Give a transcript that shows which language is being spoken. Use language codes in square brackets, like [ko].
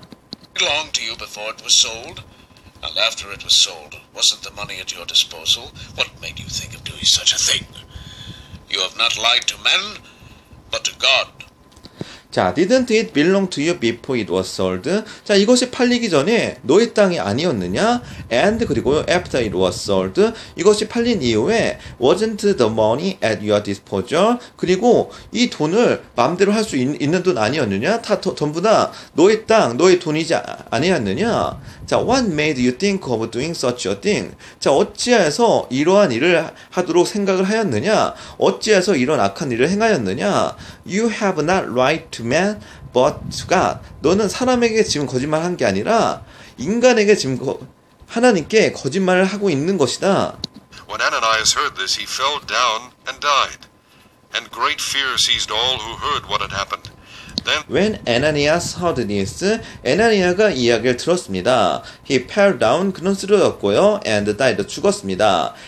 [en] It belonged to you before it was sold. And after it was sold, wasn't the money at your disposal? What made you think of doing such a thing? You have not lied to men, but to God. 자, didn't it belong to you before it was sold? [ko] 자, 이것이 팔리기 전에 너의 땅이 아니었느냐? [en] And 그리고 after it was sold, [ko] 이것이 팔린 이후에 [en] wasn't the money at your disposal? [ko] 그리고 이 돈을 마음대로 할 수 있는 돈 아니었느냐? 다 전부 다 너의 땅, 너의 돈이지 아니었느냐? [en] 자, what made you think of doing such a thing? [ko] 자, 어찌해서 이러한 일을 하도록 생각을 하였느냐? 어찌해서 이런 악한 일을 행하였느냐? [en] You have not lied to man, but to God. [ko] 너는 사람에게 지금 거짓말 한 게 아니라 인간에게 지금 하나님께 거짓말을 하고 있는 것이다. [en] When Ananias heard this, he fell down and died. And great fear seized all who heard what had happened. When Ananias heard this, [ko] Ananias가 이야기를 들었습니다. [en] He fell down, [ko] 그는 쓰러졌고요, [en] and died, [ko] 죽었습니다.